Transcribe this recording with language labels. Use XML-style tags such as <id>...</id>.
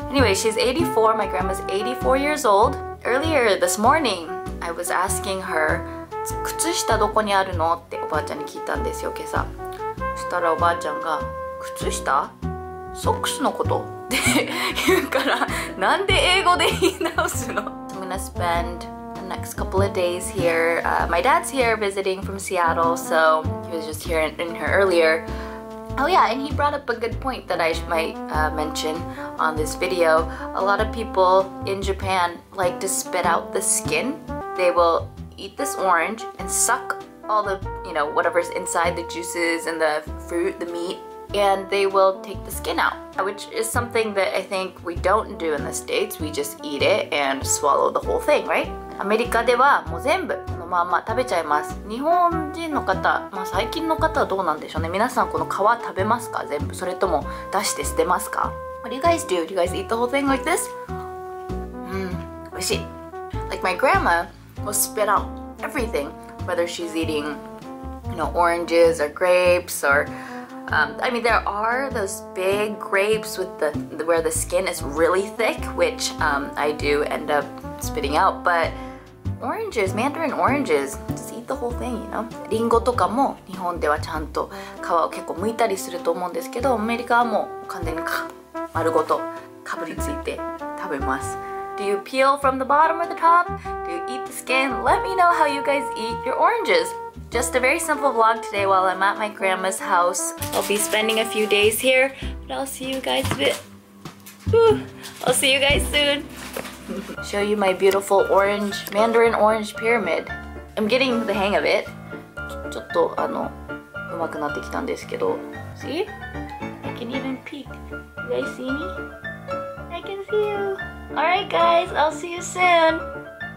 <en>Anyway, she's 84. My grandma's 84 years old. Earlier this morning, I was asking her,</en> <ja>靴下どこにあるのっておばあちゃんに聞いたんですよ、今朝。そしたらおばあちゃんが、靴下?ソックスのこと? って言うから、なんで英語で言い直すの?</ja> <en>I'm gonna spend the next couple of days here. My dad's here visiting from Seattle, so he was just here in here earlier. Oh yeah, and he brought up a good point that I might mention on this video. A lot of people in Japan like to spit out the skin. They willeat this orange and suck all the, you know, whatever's inside the juices and the fruit, the meat, and they will take the skin out, which is something that I think we don't do in the States. We just eat it and swallow the whole thing, right?</en> <ja>アメリカではもう全部このまま食べちゃいます。日本人の方、まあ最近の方はどうなんでしょうね。皆さんこの皮食べますか?全部。それとも出して捨てますか?</ja> <en>What do you guys do? Do you guys eat the whole thing like this?</en> <ja>おいしい。</ja> <en>Like my grandma,will spit out everything, whether she's eating, you know, oranges or grapes or, I mean, there are those big grapes with the where the skin is really thick, which I do end up spitting out, but oranges, mandarin oranges, just eat the whole thing, you know?</en> <ja>リンゴとかも日本ではちゃんと皮を結構剥いたりすると思うんですけど、アメリカはもう完全に丸ごとかぶりついて食べます。</ja> <en>Do you peel from the bottom or the top? Do you eat the skin? Let me know how you guys eat your oranges. Just a very simple vlog today while I'm at my grandma's house. I'll be spending a few days here, but I'll see you guys soon. Show you my beautiful orange, mandarin orange pyramid. I'm getting the hang of it.</en> <ja>ちょっと上手くなってきたんですけど</ja> <en>See? I can even peek. You guys see me? I can see you! Alright guys, I'll see you soon!</en>